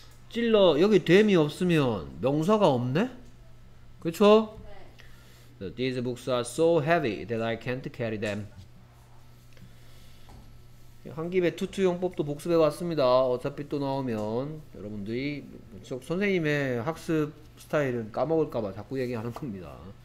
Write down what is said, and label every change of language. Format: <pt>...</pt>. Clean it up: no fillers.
<ko>찔러 여기 됨이 없으면 명사가 없네? 그쵸? 네.</ko> <en>These books are so heavy that I can't carry them.</en> <ko>한 김에 투투용법도 복습해 왔습니다. 어차피 또 나오면 여러분들이 선생님의 학습 스타일은 까먹을까봐 자꾸 얘기하는 겁니다.</ko>